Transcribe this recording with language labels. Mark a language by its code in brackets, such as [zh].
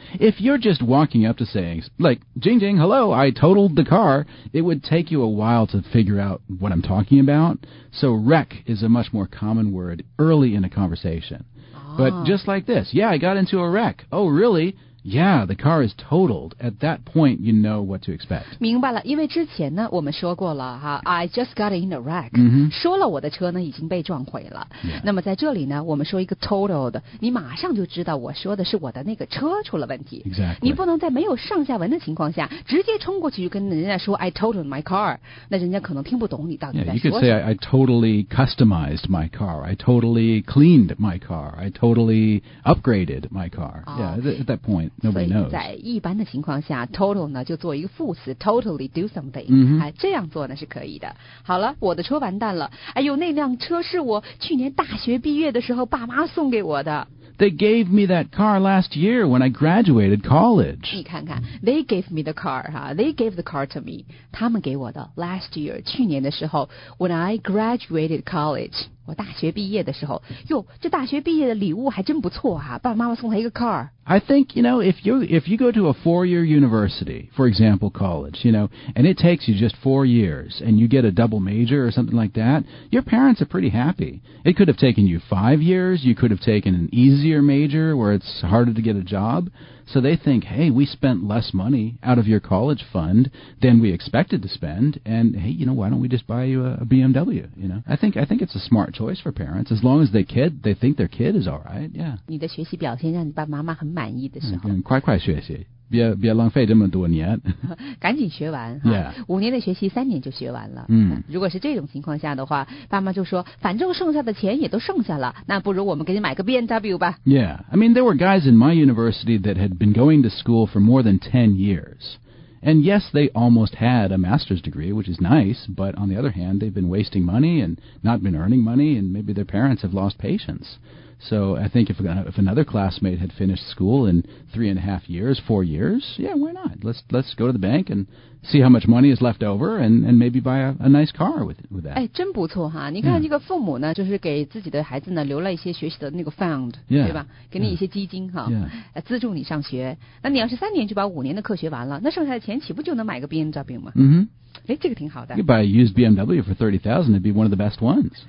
[en] If you're just walking up to saying, like, Jing Jing, hello, I totaled the car, it would take you a while to figure out what I'm talking about. So wreck is a much more common word early in a conversation.、 Oh. But just like this, yeah, I got into a wreck. Oh, really? Yeah, the car is totaled. At that point, you know what to expect. [zh] 明白了，因为之前呢，我们说过了哈 ， [en] I just got in a wreck.、 Mm-hmm. [zh] 说了我的车呢已经被撞毁了。 [en] Yeah. [zh] 那么在这里呢，我们说一个 totaled， 你马上就知道我说的是我的那个车出了问题。 [en] Exactly. [zh] 你不能在没有上下文的情况下直接冲过去就跟人家说 [en] I totaled my car， [zh] 那人家可能听不懂你到底在说什么。 [en] Yeah, you could say I totally customized my car. I totally cleaned my car. I totally upgraded my car.、 Oh. Yeah, at that point. Nobody knows. [zh] 所以在一般的情况下 ，total 呢就做一个副词 ， [en] totally do something， [zh] 哎、嗯，这样做呢是可以的。好了，我的车完蛋了。哎呦，那辆车是我去年大学毕业的时候爸妈送给我的。 [en] They gave me that car last year when I graduated college. [zh] 你看看 [en] ，they gave me the car 哈、，they gave the car to me. [zh] 他们给我的 [en] last year [zh] 去年的时候 ， [en] when I graduated college， [zh] 我大学毕业的时候。哟，这大学毕业的礼物还真不错哈、爸爸妈妈送他一个 car。 [en] I think, you know, if you go to a 4-year university, for example, college, you know, and it takes you just 4 years and you get a double major or something like that, your parents are pretty happy. It could have taken you 5 years. You could have taken an easier major where it's harder to get a job. So they think, hey, we spent less money out of your college fund than we expected to spend. And hey, you know, why don't we just buy you a BMW? You know, I think it's a smart choice for parents as long as they think their kid is all right. Yeah. [zh] 你的学习表现让你爸爸妈妈很满意的时候，快快学习，别浪费这么多年，赶紧学完哈。 [en] Yeah. [zh] 五年的学习，三年就学完了。嗯、如果是这种情况下的话，爸妈就说，反正剩下的钱也都剩下了，那不如我们给你买个 BMW 吧。 [en] Yeah, I mean there were guys in my university that had been going to school for more than 10 years, and yes, they almost had a master's degree, which is nice. But on the other hand, they've been wasting money and not been earning money, and maybe their parents have lost patience. So I think if another classmate had finished school in 3.5 years, 4 years, yeah, why not? Let's go to the bank and see how much money is left over and maybe buy a nice car with that. [zh] 哎，真不错哈！你看这个父母呢，就是给自己的孩子呢留了一些学习的那个 fund， [en] yeah, [zh] 对吧？给你一些基金哈， [en] yeah, [zh] 资助你上学。那你要是三年就把五年的课学完了，那剩下的钱岂不就能买个 BMW 吗？嗯哼。哎，这个挺好的。 [en] You buy a used BMW for $30,000, it'd be one of the best ones.